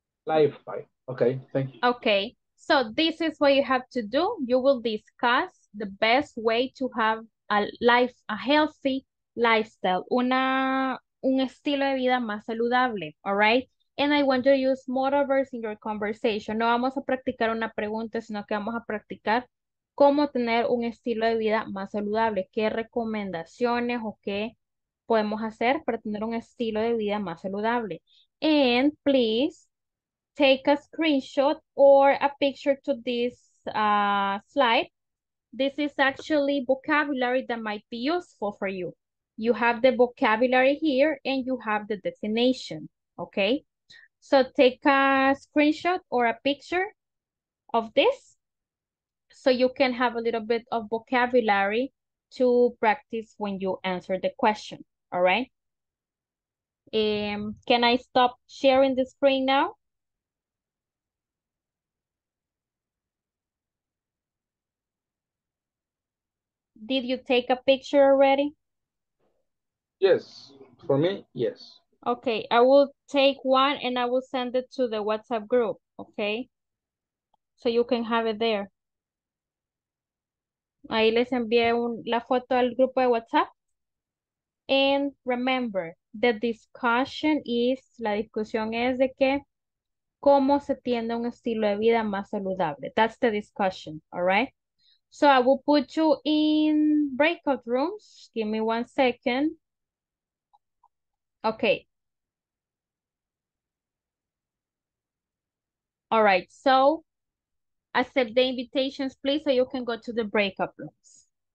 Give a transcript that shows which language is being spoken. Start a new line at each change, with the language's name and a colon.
English: Lifestyle. Okay, thank you. Okay, so this is what you have to do. You will discuss the best way to have a life, a healthy lifestyle,
Spanish: un estilo de vida más saludable,
English: all right? And I want you to use modal verbs in your conversation.
Spanish: No vamos a practicar una pregunta, sino que vamos a practicar cómo tener un estilo de vida más saludable. ¿Qué recomendaciones o qué podemos hacer para tener un estilo de vida más saludable?
English: And please take a screenshot or a picture to this slide. This is actually vocabulary that might be useful for you. You have the vocabulary here and you have the definition, okay? So take a screenshot or a picture of this so you can have a little bit of vocabulary to practice when you answer the question, all right? Can I stop sharing the screen now? Did you take a picture already? Yes, for me, yes. Okay, I will take one and I will send it to the WhatsApp group, okay? So you can have it there.
Spanish: Ahí les envié la foto al grupo de WhatsApp.
English: And remember, the discussion is,
Spanish: la discusión es de que, ¿cómo se tiende un estilo de vida más saludable?
English: That's the discussion, all right? So I will put you in breakout rooms. Give me 1 second. Okay. All right, so accept the invitations, please, so you can go to the breakout rooms.